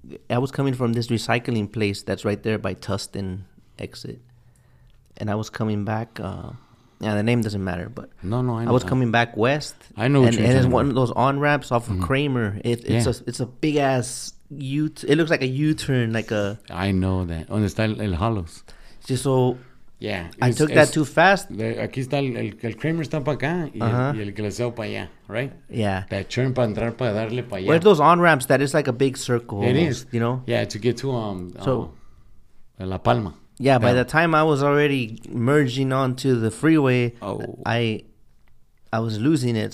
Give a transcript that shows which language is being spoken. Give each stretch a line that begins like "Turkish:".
English: I was coming from this recycling place that's right there by Tustin exit, and I was coming back. Yeah, the name doesn't matter, but no, I was coming back west. I know, and it's one of those on ramps off of Kramer. It's a big ass. It looks like a U-turn, like a... I know that. On the style, El Halos. Just so Yeah. I took that too fast.
Spanish: Aquí está el Kramer está para acá y el glaseado para allá, right?
English: Yeah.
Spanish: That turn para entrar para darle para allá.
English: Where's those on-ramps that is like a big circle? It is. You know? Yeah, to get to La Palma. Yeah, by the time I was already merging onto the freeway, I was losing it.